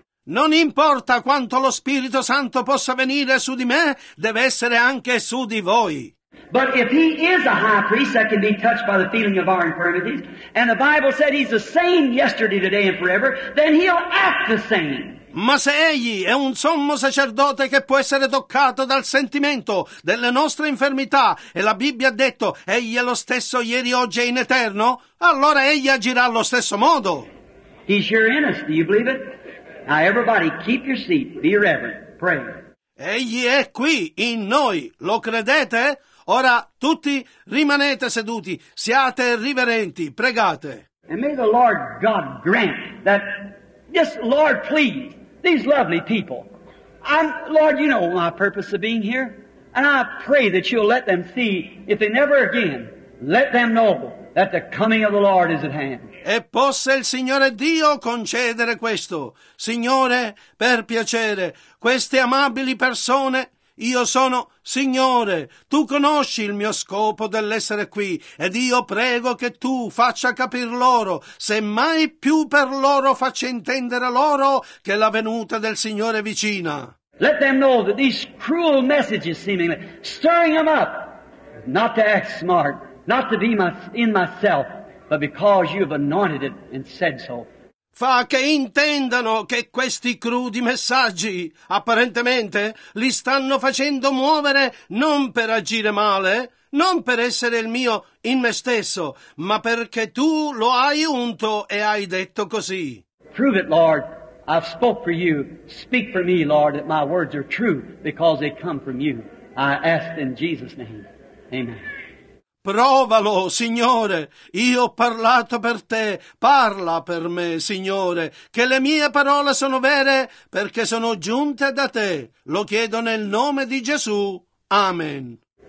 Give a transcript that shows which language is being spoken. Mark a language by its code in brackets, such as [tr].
[it] Non importa quanto lo Spirito Santo possa venire su di me, deve essere anche su di voi. [en] But if he is a high priest that can be touched by the feeling of our infirmities, and the Bible said he's the same yesterday, today, and forever, then he'll act the same. [it] Ma se egli è un sommo sacerdote che può essere toccato dal sentimento delle nostre infermità, e la Bibbia ha detto egli è lo stesso ieri, oggi e in eterno, allora egli agirà allo stesso modo. [en] He's here in us, do you believe it? Now everybody keep your seat, be reverent, pray. [it] Egli è qui, in noi, lo credete? Ora, tutti, rimanete seduti, siate riverenti, pregate. [en] And may the Lord God grant that, yes, Lord, please, these lovely people, Lord, you know my purpose of being here, and I pray that you'll let them see, if they never again, let them know that the coming of the Lord is at hand. [it] E possa il Signore Dio concedere questo. Signore, per piacere, queste amabili persone... Io sono, Signore, Tu conosci il mio scopo dell'essere qui, ed io prego che Tu faccia capir loro, se mai più per loro faccia intendere loro che la venuta del Signore è vicina. [en] Let them know that these cruel messages seemingly stirring them up, not to act smart, not to be in myself, but because You have anointed it and said so. [it] Fa che intendano che questi crudi messaggi, apparentemente, li stanno facendo muovere non per agire male, non per essere il mio in me stesso, ma perché Tu lo hai unto e hai detto così. [en] Prove it, Lord. I've spoke for You. Speak for me, Lord, that my words are true, because they come from You. I ask in Jesus' name. Amen. [it] Provalo, Signore, io ho parlato per te, parla per me, Signore, che le mie parole sono vere perché sono giunte da te. Lo chiedo nel nome di Gesù. Amen.